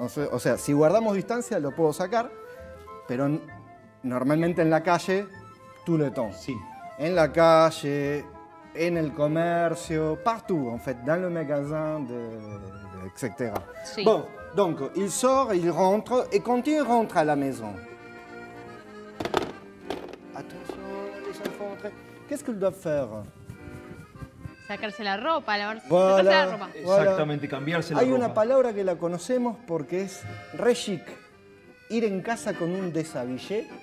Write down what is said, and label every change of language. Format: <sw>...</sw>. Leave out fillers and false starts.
<es>O sea, si guardamos distancia, lo puedo sacar, pero normalmente en la calle, tú le tomas. Sí. En la calle, en el comercio,</es> <fr>partout, en fait, dans le magasin, etc.</fr> <es>Sí.</es> <fr>Bon, donc, il sort, il rentre, et quand il rentre à la maison, attention, les enfants rentrent, qu'est-ce qu'ils doivent faire?</fr> <es>Sacarse la ropa, lavarse,</es> <fr>voilà,</fr> <es>sacarse la ropa. Exactamente, cambiarse la ropa. Hay una palabra que la conocemos porque es re chic. Ir en casa con un deshabillé.</es>